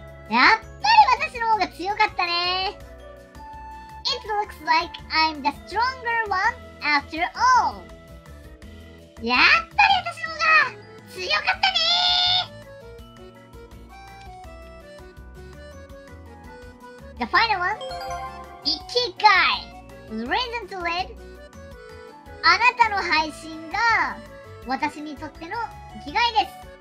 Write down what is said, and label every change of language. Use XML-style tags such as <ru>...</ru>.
<ja>やっぱり私の方が強かったね。</ja> <en>It looks like I'm the stronger one after all.</en> <ja>やっぱり私の方が強かったね。</ja> <en>The final one. 生きがい。Reason to live.</en> <ja>あなたの配信が私にとっての生きがいです。</ja>